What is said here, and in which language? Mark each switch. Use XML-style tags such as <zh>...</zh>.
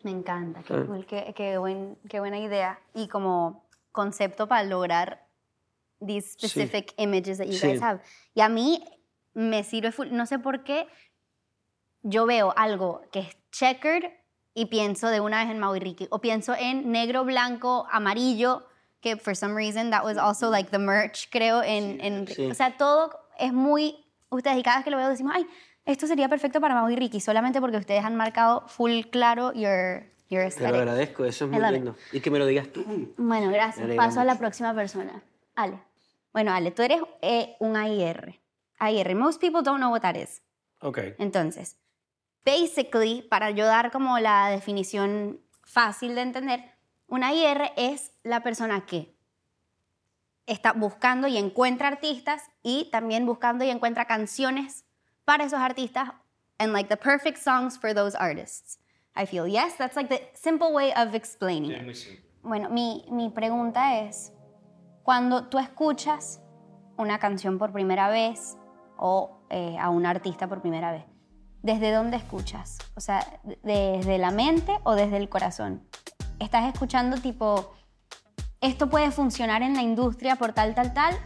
<es>Me encanta, qué buena idea. Y como... concepto para lograr</es> <en>these specific sí. images that you sí. guys have.</en> <es>Y a mí me sirve full. No sé por qué yo veo algo que es checkered y pienso de una vez en Mau y Ricky. O pienso en negro, blanco, amarillo, que</es> <en>for some reason that was also like the merch,</en> <es>creo. O sea, todo es muy... Ustedes, y cada vez que lo veo decimos, ay, esto sería perfecto para Mau y Ricky, solamente porque ustedes han marcado full claro</es> <en>your aesthetic.</en> <es>Te lo agradezco, eso es muy lindo. Y que me lo digas tú. Bueno, gracias. Paso mucho. A la próxima persona. Ale. Bueno, Ale, tú eres un AIR. AIR.</es> <en>Most people don't know what that is. Ok.</en> <es>Entonces, basically, para yo dar como la definición fácil de entender, un AIR es la persona que está buscando y encuentra artistas y también buscando y encuentra canciones para esos artistas</es> <en>and like the perfect songs for those artists. I feel, yes, that's like the simple way of explaining yeah, it.</en> <es>Me sí. Bueno, mi pregunta es, cuando tú escuchas una canción por primera vez o a un artista por primera vez, ¿desde dónde escuchas? O sea, ¿desde la mente o desde el corazón? ¿Estás escuchando tipo, esto puede funcionar en la industria por tal, tal, tal?</es>